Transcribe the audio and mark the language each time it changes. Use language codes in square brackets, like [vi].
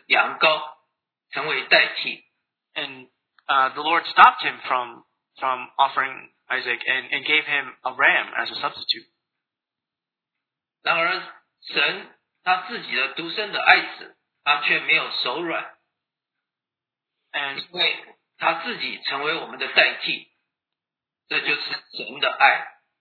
[zh] 而神拦阻了他，为他预备了一只羊羔，成为代替。 [en] And the Lord stopped him from offering Isaac and gave him a ram as a substitute. [zh] 然而神他自己的独生的爱子，他却没有手软。 [en] And [zh] 他自己成为我们的代替，这就是神的爱。